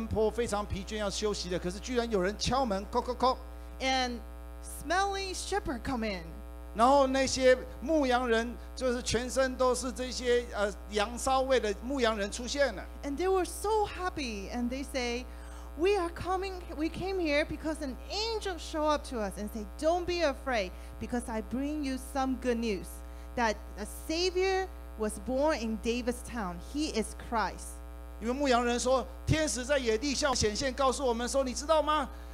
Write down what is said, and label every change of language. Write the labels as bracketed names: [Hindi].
[Chinese] 所以玛利亚可能当天一整天奔波,非常疲倦,要休息的, 可是居然有人敲门, [English] call, call, call. And smelly shepherd come in. [Chinese] 然后那些牧羊人,就是全身都是这些, 羊骚味的牧羊人出现了。 [English] And they were so happy, and they say, we came here because an angel showed up to us and said, don't be afraid, because I bring you some good news, that a savior was born in David's town. He is Christ. [Chinese] 因为牧羊人说,天使在野地向显现告诉我们说,你知道吗?